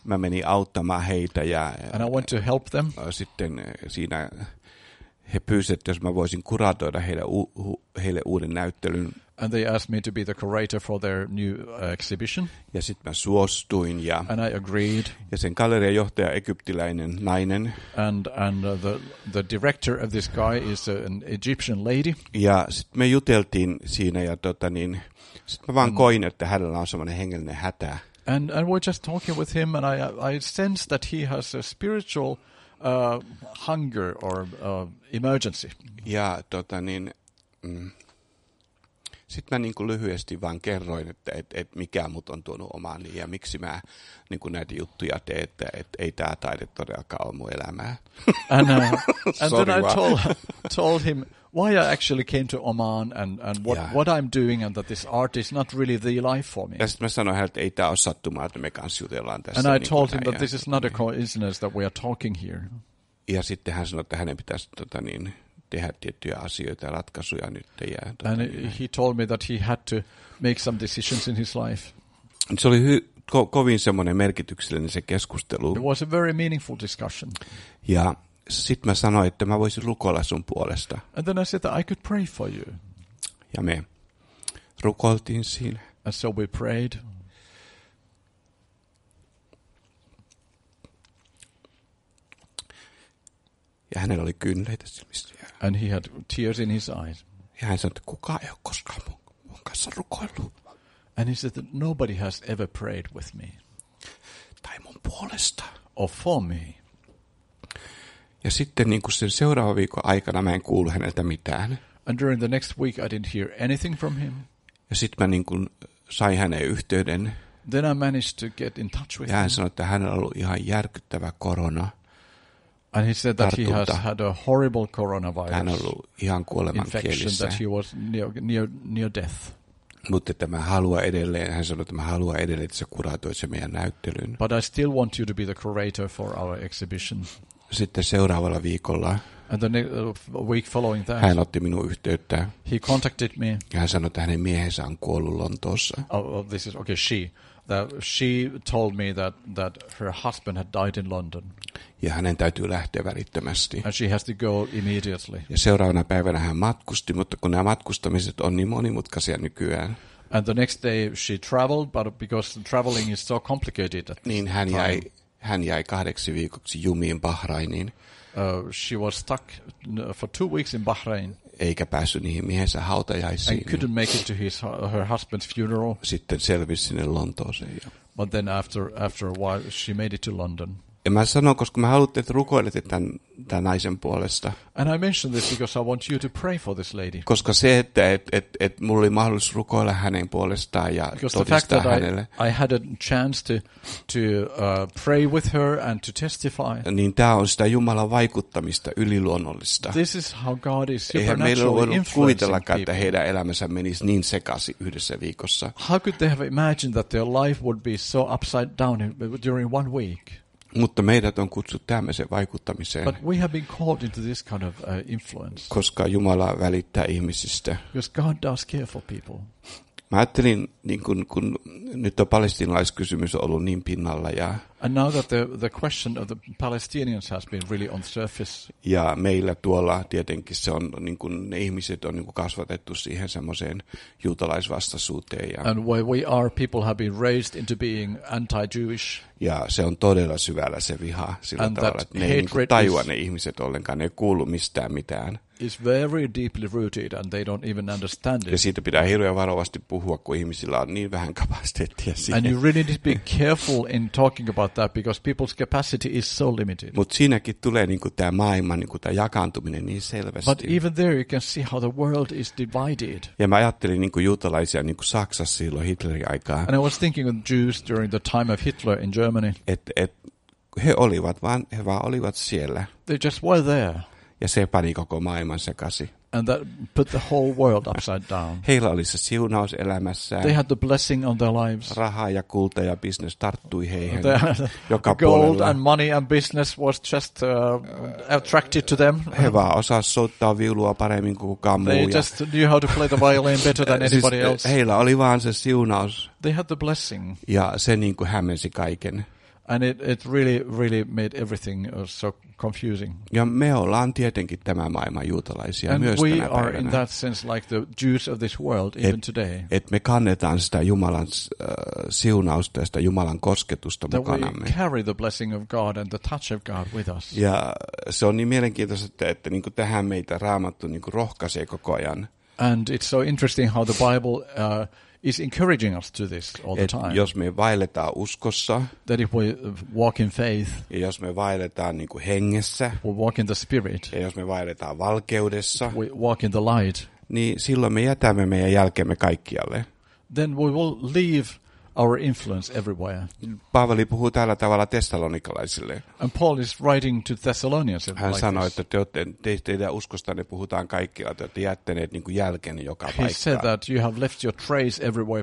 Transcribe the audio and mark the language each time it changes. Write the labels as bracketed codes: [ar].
[fi] Mä menin auttamaan heitä ja [en] and I went to help them. [fi] Sitten siinä he pyysivät, jos mä voisin kuratoida heille uuden näyttelyn. [en] And they asked me to be the curator for their new exhibition. [fi] Ja sit mä suostuin ja [en] and I agreed. [fi] Ja sen gallerian johtaja egyptiläinen nainen. [en] And the director of this guy is an Egyptian lady. [fi] Ja sit me juteltiin siinä ja sit mä vaan koin, että hänellä on semmoinen hengellinen hätä. [en] And we're just talking with him and I sense that he has a spiritual hunger or emergency. [fi] Ja sitten mä niin kuin lyhyesti vaan kerroin, että et mikä mut on tuonut omaani ja miksi mä niin kuin näitä juttuja teen, että ei tää taide todellakaan ole mun elämää. [en] And then I told him why I actually came to Oman and what I'm doing and that this art is not really the life for me. [fi] Ja sitten mä sanoin hänelle, että ei tää ole sattumaa, että me kanssa jutellaan tässä. [en] And I told him that this is not a coincidence that we are talking here. [fi] Ja sitten hän sanoi, että hänen pitäisi tehdä tiettyjä asioita ja ratkaisuja nyt. Ja [en] and he told me that he had to make some decisions in his life. [fi] Se oli kovin semmoinen merkityksellinen se keskustelu. [en] It was a very meaningful discussion. [fi] Ja sitten mä sanoin, että mä voisin rukoilla sun puolesta. [en] And then I said that I could pray for you. [fi] Ja me rukoiltiin siinä. [en] And so we prayed. [fi] Ja Ja hänellä oli kynleitä silmissä. [en] And he had tears in his eyes. [fi] Ja hän sanoi, että kukaan ei ole koskaan mun kanssa rukoillut. [en] And he said that nobody has ever prayed with me. [fi] Tai mun puolesta. [en] Or for me. [fi] Ja sitten niin kuin sen seuraavan viikon aikana mä en kuulu häneltä mitään. [en] And during the next week I didn't hear anything from him. [fi] Ja sitten mä niin kuin sain hänen yhteyden. [en] Then I managed to get in touch with [fi] ja hän [en] him. [fi] Sanoi, että hänellä on ollut ihan järkyttävä korona. [en] And he said that he has had a horrible coronavirus. [fi] Hän on ollut ihan kuoleman [en] infection, that he was near death. [fi] Mutta että mä haluan edelleen, hän sanoi, että mä haluan edelleen, että sä kuratoit se meidän näyttelyyn. [en] But I still want you to be the curator for our exhibition. [fi] Sitten seuraavalla viikolla. [en] And the week following that. [fi] Hän otti minun yhteyttä. [en] He contacted me. [fi] Ja hän sanoi, että hänen miehensä on kuollut Lontoossa. [en] Oh, this is okay, she. That she told me that her husband had died in London. [fi] Ja hänen täytyy lähteä välittömästi. [en] And she has to go immediately. [fi] Ja seuraavana päivänä hän matkusti, mutta kun nämä matkustamiset on niin monimutkaisia nykyään. [en] And the next day she traveled, but because the traveling is so complicated. [fi] Niin hän jäi 8 viikoksi jumiin Bahrainiin. [en] She was stuck for 2 weeks in Bahrain. [fi] Eikä päässyt niihin miehensä hautajaisiin. [en] And couldn't make it to her husband's funeral. [fi] Sitten selvisi sinne Lontooseen. [en] But then after a while she made it to London. [fi] Ja mä sanon, koska mä haluan, että rukoilette tämän naisen puolesta. [en] And I mentioned this because I want you to pray for this lady. [fi] Koska se, että et mulla oli mahdollisuus rukoilla hänen puolestaan ja [en] because [fi] todistaa [en] the fact [fi] hänelle. [en] That I had a chance to pray with her and to testify. [fi] Niin tämä on sitä Jumalan vaikuttamista yliluonnollista. [en] This is how God is supernaturally influencing people. [fi] Eihän meillä voinut kuvitellakaan, että heidän elämänsä menisi niin sekaisin yhdessä viikossa. [en] How could they have imagined that their life would be so upside down during 1 week? [fi] Mutta meidät on kutsuttu tämmöiseen vaikuttamiseen. [en] But we have been called into this kind of influence. [fi] Koska Jumala välittää ihmisistä. [en] Because God does care for people. [fi] Mä ajattelin, niin kun nyt on palestinalaiskysymys ollut niin pinnalla ja [en] and now that the question of the Palestinians has been really on surface. [fi] Ja meillä tuolla tietenkin se on niin kun ne ihmiset on niin kun kasvatettu siihen semmoiseen juutalaisvastaisuuteen ja [en] and where we are people have been raised into being anti-Jewish. [fi] Ja se on todella syvällä se viha sillä [en] and [fi] tavalla, että ne ei niin tajua ne ihmiset ollenkaan, ne ei kuulu mistään mitään. [en] Is very deeply rooted and they don't even understand it. [fi] Ja siitä pitää hirveän varovasti puhua, kun ihmisillä on niin vähän kapasiteettia siihen. [en] And you really need to be careful in talking about that because people's capacity is so limited. [fi] Mut siinäkin tulee niinku tää maailma niinku tää jakaantuminen niin selvästi. [en] But even there you can see how the world is divided. [fi] Ja mä ajattelin niinku juutalaisia niinku Saksassa silloin Hitlerin aikaan. [en] And I was thinking of Jews during the time of Hitler in Germany. [fi] Et he vaan olivat siellä. [en] They just were there. [fi] Ja se pani koko maailman sekasi. [en] And that put the whole world upside down. [fi] Heillä oli se siunaus elämässään. [en] They had the blessing on their lives. [fi] Raha ja kulta ja business tarttui heihin joka [en] gold [fi] puolella. [en] Gold and money and business was just attracted to them. [fi] He vaan osasi soittaa viulua paremmin kuin kukaan muu. [en] They just knew how to play the violin better than anybody else. [fi] Heillä oli vaan se siunaus. [en] They had the blessing. [fi] Ja se niin kuin hämmensi kaiken. [en] And it really, really made everything so confusing. [fi] Ja me ollaan tietenkin tämän maailman juutalaisia [en] and [fi] myös tänä päivänä. [en] And we are in that sense like the Jews of this world even today. [fi] Et me kannetaan sitä Jumalan siunausta ja sitä Jumalan kosketusta [en] that [fi] mukanamme. [en] We carry the blessing of God and the touch of God with us. [fi] Ja se on niin mielenkiintoista, että niin kuin tähän meitä Raamattu niin kuin rohkaisee koko ajan. [en] And it's so interesting how the Bible is encouraging us to this all the time. [fi] Jos me vaelletaan uskossa, [en] that if we walk in faith, [fi] ja jos me vaelletaan niin kuin hengessä, [en] we walk in the spirit, [fi] ja jos me vaelletaan valkeudessa, [en] we walk in the light, [fi] niin silloin me jätämme meidän jälkemme kaikkialle. [en] Then we will leave our influence everywhere. [fi] Paavali puhuu tällä tavalla tessalonikalaisille. [en] And Paul is writing to Thessalonians. [fi] Hän sanoi, että teidän uskostanne puhutaan kaikkialla, että te jättäneet niin kuin jälkeen joka paikkaan. [en] He said that you have left your trace everywhere.